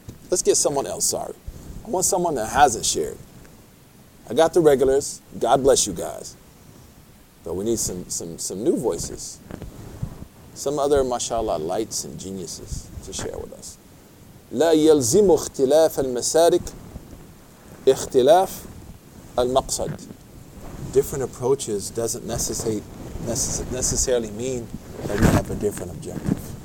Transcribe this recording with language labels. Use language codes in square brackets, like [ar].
[en] Let's get someone else, sorry. I want someone that hasn't shared. I got the regulars. God bless you guys. But we need some new voices. Some other, mashallah, lights and geniuses to share with us. [ar] لا يلزم اختلاف المسارك اختلاف المقصد. [en] Different approaches doesn't necessarily mean that we have a different objective.